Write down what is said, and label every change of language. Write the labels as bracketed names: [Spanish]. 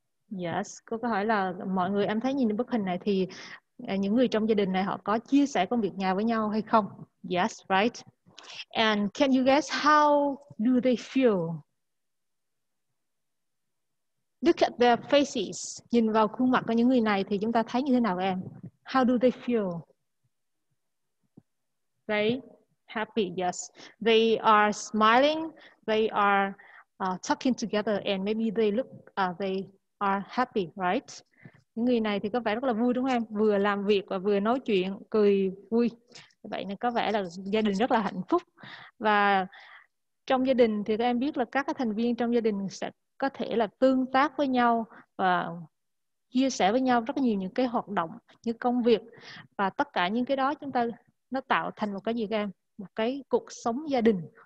[Vietnamese] Yes, cô có hỏi là mọi người em thấy nhìn bức hình này thì những người trong gia đình này họ có chia sẻ công việc nhà với nhau hay không? [English] Yes, right. And can you guess how do they feel? Look at their faces. [Vietnamese] Nhìn vào khuôn mặt của những người này thì chúng ta thấy như thế nào em? [English] How do they feel? They happy, yes. They are smiling. They are talking together and maybe they look, they are happy, right? [Vietnamese] Những người này thì có vẻ rất là vui đúng không em? Vừa làm việc và vừa nói chuyện, cười vui. Vậy nên có vẻ là gia đình rất là hạnh phúc. Và trong gia đình thì các em biết là các thành viên trong gia đình sẽ có thể là tương tác với nhau và chia sẻ với nhau rất nhiều những cái hoạt động như công việc và tất cả những cái đó chúng ta nó tạo thành một cái gì các em, một cái cuộc sống gia đình.